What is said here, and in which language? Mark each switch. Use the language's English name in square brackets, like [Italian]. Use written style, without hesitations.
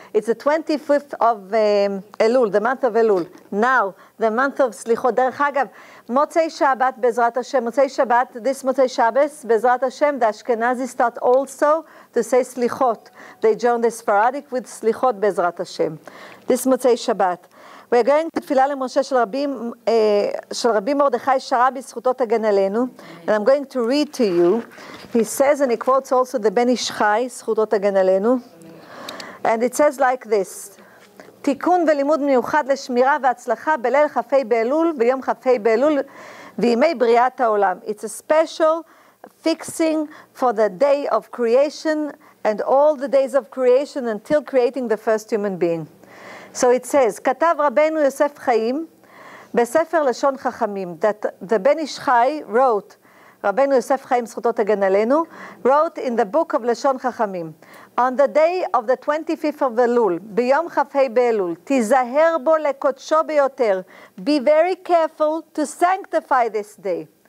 [English] It's the 25th of Elul, the month of Elul. Now, the month of Slichot. Derech Agav, Motzei Shabbat, Bezrat Hashem. Motzei Shabbat, this Motzei Shabbos, Bezrat Hashem, the Ashkenazi start also to say Slichot. They join the Sephardic with Slichot, Bezrat Hashem. This Motzei Shabbat. We're going to [Hebrew] Tfilah leMoshe של רבי מרדכי שרה בזכותו תגן עלינו. [English] And I'm going to read to you. He says, and he quotes also the Ben Ish Chai, [Hebrew] זכותו תגן עלינו. And it says like this. תיקון ולימוד מיוחד לשמירה והצלחה בליל חפי באלול ויום חפי באלול וימי בריאת העולם. [English] It's a special fixing for the day of creation and all the days of creation until creating the first human being. So it says, [Hebrew] כתב רבנו יוסף חיים בספר לשון חכמים, [English] that the Ben Ish Chai wrote, [Hebrew] רבנו יוסף חיים זכותו תגן עלינו, [English] wrote in the book of לשון חכמים, on the day of the 25th of Elul, [Hebrew] ביום חפי באלול, תיזהר בו לקודשו ביותר, [English] be very careful to sanctify this day.